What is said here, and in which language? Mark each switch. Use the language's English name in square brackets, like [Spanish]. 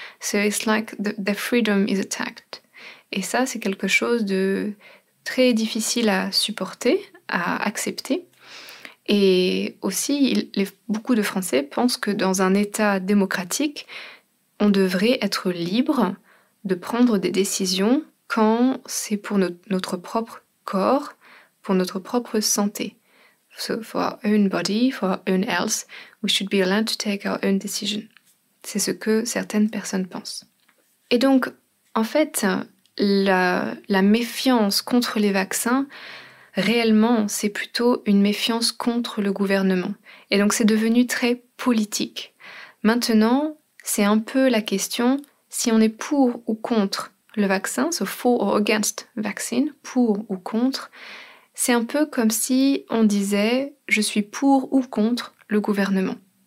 [English] So it's like the freedom is attacked. [French] Et ça, c'est quelque chose de très difficile à supporter, à accepter. Et aussi, beaucoup de Français pensent que dans un État démocratique, on devrait être libre de prendre des décisions quand c'est pour notre propre corps, pour notre propre santé. [English] So for our own body, for our own health, we should be allowed to take our own decision. [French] C'est ce que certaines personnes pensent. Et donc, en fait, la méfiance contre les vaccins, réellement, c'est plutôt une méfiance contre le gouvernement. Et donc, c'est devenu très politique. Maintenant, c'est un peu la question, si on est pour ou contre le vaccin, [English] so for or against vaccine, [French] pour ou contre, c'est un peu comme si on disait « je suis pour ou contre le gouvernement ».